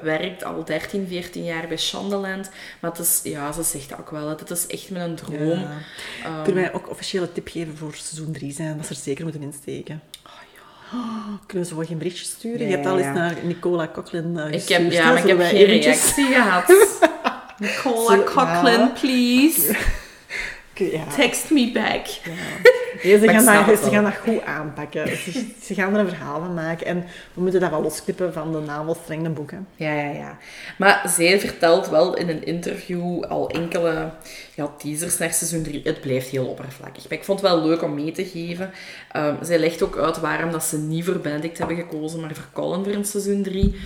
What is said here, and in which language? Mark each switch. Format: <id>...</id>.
<nl>Werkt al 13, 14 jaar bij Shondaland. Maar het is, ja, ze zegt ook wel, het is echt mijn droom. Ja. Kunnen wij ook officiële tip geven voor seizoen 3 zijn? Dat ze er zeker moeten insteken. Kunnen ze wel geen berichtje sturen? Je hebt al eens naar Nicola Coughlin gestuurd. Ik heb, ja, maar ik heb geen reactie gehad.</nl> <en>Nicola Coughlin, please. Text me back.</en> <nl>Ja. Nee, ze gaan dat goed aanpakken. Ze gaan er een verhaal van maken. En we moeten dat wel losknippen van de navelstrengde boeken. Ja, ja, ja. Maar zij vertelt wel in een interview al enkele teasers naar seizoen 3. Het blijft heel oppervlakkig. Maar ik vond het wel leuk om mee te geven. Zij legt ook uit waarom dat ze niet voor Benedict hebben gekozen, maar voor Colin voor in seizoen 3.</nl>